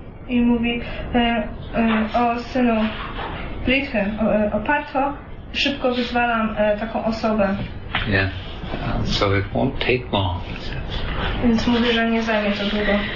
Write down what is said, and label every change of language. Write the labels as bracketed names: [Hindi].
[Polish] I mówi o synu Prithy, o Partho, szybko wyzwalam taką osobę. [English] Yeah, so it won't take long. [Polish] Więc mówi, że nie zajmie to długo.